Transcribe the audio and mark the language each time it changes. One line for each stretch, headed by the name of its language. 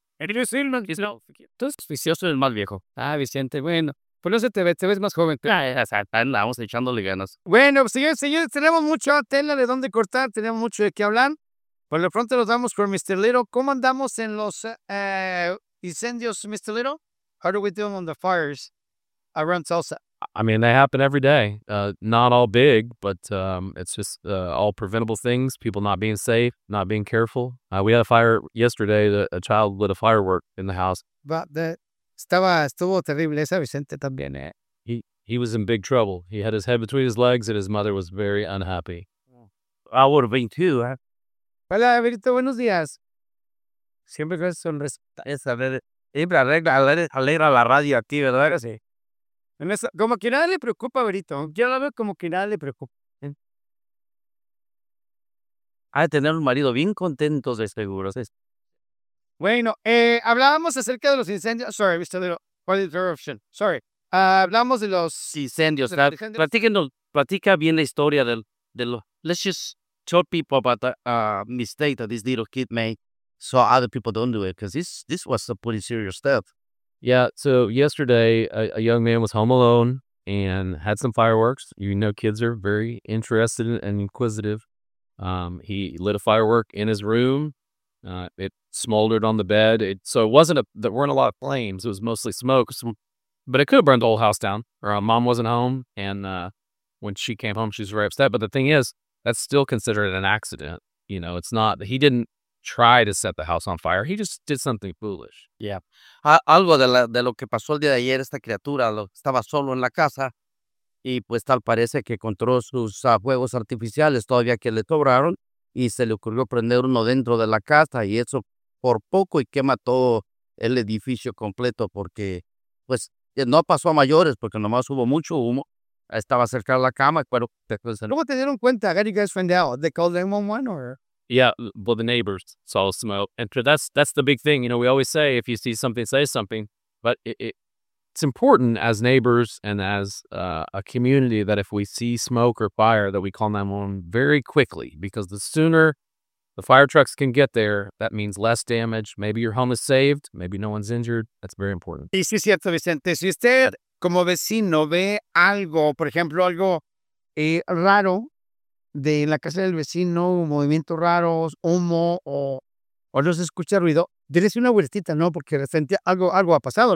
Spanish: Entonces, oficioso es el más viejo. Ah, Vicente, bueno. Pues no se te ve, te ves más joven. Vamos echándole ganas. Bueno, señores, tenemos mucha tela de dónde cortar, tenemos mucho de qué hablar. Por lo pronto nos vamos con Mr. Little. ¿Cómo andamos en los incendios, Mr. Little?
English: How are we doing on the fires around Tulsa? I mean, they happen every day. Not all big, but it's just all preventable things. People not being safe, not being careful. We had a fire yesterday. A child lit a firework in the house.
Spanish: But estuvo terrible esa Vicente también, eh?
English: He was in big trouble. He had his head between his legs, and his mother was very unhappy. I would have been too, eh?
Spanish: Hola, Benito, buenos días. Siempre con sonrisa. Siempre alegra la radio aquí, ¿verdad? Sí. En eso, como que nada le preocupa, Berito. Yo lo veo como que nada le preocupa. Ha de tener un marido bien contento, de seguro. ¿Sí? Bueno, hablábamos acerca de los incendios.
English: Sorry, Mr. Little, for the interruption.
Spanish: Sorry. Hablábamos de los incendios. Platica bien la historia de los.
English: Let's just tell people about the mistake that this little kid made so other people don't do it, because this was a pretty serious death. Yeah, so yesterday, a young man was home alone and had some fireworks. You know, kids are very interested and inquisitive. He lit a firework in his room. It smoldered on the bed. There weren't a lot of flames. It was mostly smoke. But it could have burned the whole house down. Her mom wasn't home, and when she came home, she was very upset. But the thing is, that's still considered an accident. You know, it's not, he didn't try to set the house on fire. He just did something foolish. Yeah.
Spanish: Algo de lo que pasó el día de ayer, esta criatura estaba solo en la casa y pues tal parece que encontró sus fuegos artificiales todavía que le sobraron y se le ocurrió prender uno dentro de la casa y eso por poco y quema todo el edificio completo porque pues no pasó a mayores porque nomás hubo mucho humo. Estaba cerca de la cama, pero después ¿cómo te dieron cuenta?
English: How did you guys find out? They called 911 or...? Yeah, well, the neighbors saw smoke. And that's the big thing. You know, we always say, if you see something, say something. But it's important as neighbors and as a community that if we see smoke or fire, that we call 911 very quickly. Because the sooner the fire trucks can get there, that means less damage. Maybe your home is saved. Maybe no one's injured. That's very important.
Spanish: Y sí, cierto, Vicente. Si usted como vecino ve algo, por ejemplo, algo raro, de la casa del vecino, movimientos raros, humo, o no se escucha ruido, dírese una vueltita, ¿no? Porque sentía algo ha pasado.